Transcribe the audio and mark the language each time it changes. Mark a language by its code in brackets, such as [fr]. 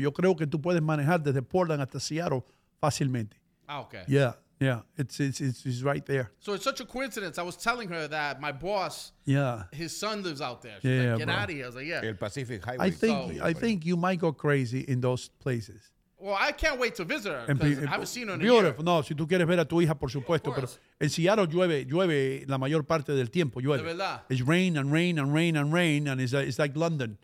[es] Yo creo que tú puedes manejar desde Portland hasta Seattle fácilmente. [en] Ah, okay. Yeah, it's right there. So it's such a coincidence. I was telling her that my boss, his son lives out there. She's like, get out of here. I was like, [es] El Pacific Highway. [en] I think you might go crazy in those places. Well, I can't wait to visit her. I haven't seen her in beautiful. A year. [es] No, si tú quieres ver a tu hija, por supuesto. Pero en Seattle llueve la mayor parte del tiempo. Llueve. De verdad. [en] It's rain and rain and rain and rain, and it's like London.